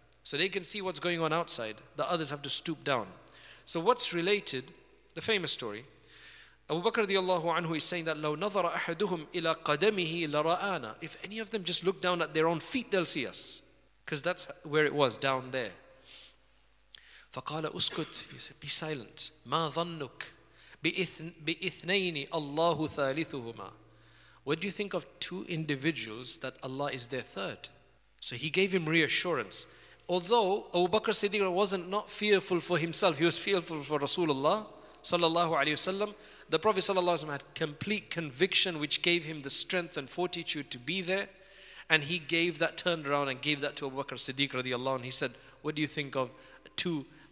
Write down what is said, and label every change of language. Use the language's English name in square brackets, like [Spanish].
[English] So they can see what's going on outside. The others have to stoop down. So what's related, the famous story, Abu Bakr radiallahu anhu is saying that [Arabic] لو نظر أحدهم إلى قدمه لرآنا. [English] If any of them just look down at their own feet, they'll see us. Because that's where it was, down there. [Arabic] فقال أسكت. [English] He said, be silent. [Arabic] ما ظنك بإثنين الله ثالثهما. [English] What do you think of two individuals that Allah is their third? So he gave him reassurance. Although Abu Bakr Siddiq wasn't not fearful for himself, he was fearful for Rasulullah sallallahu alaihi wasallam. The Prophet sallallahu alaihi wasallam had complete conviction, which gave him the strength and fortitude to be there, and he gave that turnaround and gave that to Abu Bakr Siddiq radiallahu anhu. He said, "What do you think of two?